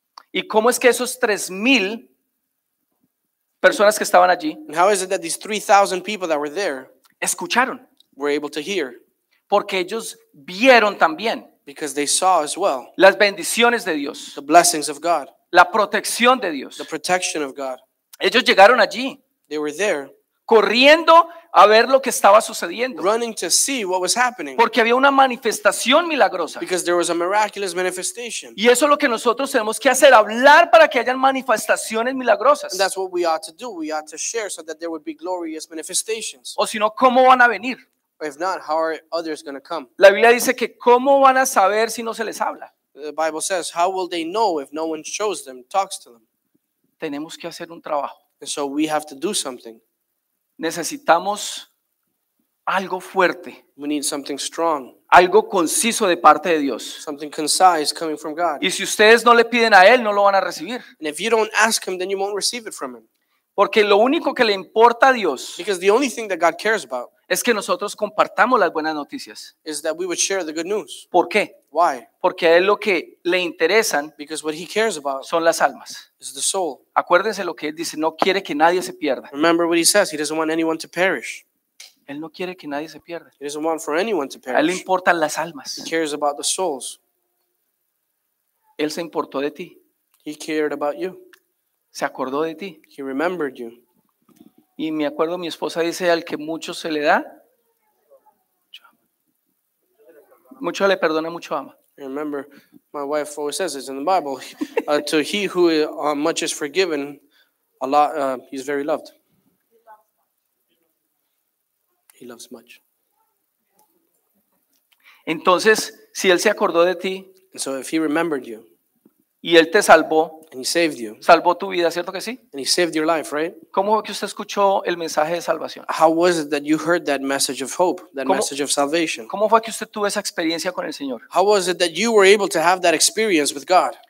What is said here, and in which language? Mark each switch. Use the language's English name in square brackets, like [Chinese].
[Spanish] ¿Y cómo es que esos 3,000 personas que estaban allí? [English] And how is it that these 3,000 people that were there [Spanish] escucharon? [English] Were able to hear. [Spanish] Porque ellos vieron también. [English] Because they saw as well. [Spanish] Las bendiciones de Dios. [English] The blessings of God. [Spanish] La protección de Dios. [English] The protection of God. [Spanish] Ellos llegaron allí. [English] They were there. [Spanish] Corriendo a ver lo que estaba sucediendo. [English] Running to see what was happening. [Spanish] Porque había una manifestación milagrosa. [English] Because there was a miraculous manifestation. [Spanish] Y eso es lo que nosotros tenemos que hacer, hablar para que hayan manifestaciones milagrosas. [English] And that's what we ought to do. We ought to share so that there would be glorious manifestations. [Spanish] O si no, ¿cómo van a venir? [English] If not, how are others going to come? [Spanish] La Biblia dice que ¿cómo van a saber si no se les habla? [English] The Bible says, how will they know if no one shows them, talks to them? [Spanish] Tenemos que hacer un trabajo. [English] And so we have to do something. [Spanish] Necesitamos algo fuerte. [English] We need something strong. [Spanish] Algo conciso de parte de Dios. [English] Something concise coming from God. [Spanish] Y si ustedes no le piden a él, no lo van a recibir. [English] And if you don't ask him, then you won't receive it from him. [Spanish] Porque lo único que le importa a Dios, [English] because the only thing that God cares about, [Spanish] es que nosotros compartamos las buenas noticias. [English] Is that we would share the good news. [Spanish] ¿Por qué? [English] Why? [Spanish] Porque a él lo que le interesan, [English] because what he cares about, [Spanish] son las almas. [English] Is the soul. [Spanish] Acuérdense lo que él dice, no quiere que nadie se pierda. [English] Remember what he says, he doesn't want anyone to perish. [Spanish] Él no quiere que nadie se pierda. [English] He doesn't want for anyone to perish. [Spanish] A él le importan las almas. [English] He cares about the souls. [Spanish] Él se importó de ti. [English] He cared about you. [Spanish] Se acordó de ti. [English] He remembered you. [Spanish] Y me acuerdo, mi esposa dice, al que mucho se le da, mucho le perdona, mucho ama. [English] I remember, my wife always says this in the Bible, to he who much is forgiven, a lot, he's very loved. He loves much. [Spanish] Entonces, si él se acordó de ti, [English] so if he remembered you, [Spanish] y él te salvó, [English] and he saved you, [Spanish] salvó tu vida, ¿cierto que sí? [English] And he saved your life, right? [Spanish] ¿Cómo que usted escuchó el mensaje de salvación? [English] How was it that you heard that message of hope, that message of salvation? [Spanish] ¿Cómo fue que usted tuvo esa experiencia con el Señor? [English] How was it that you were able to have that experience with God?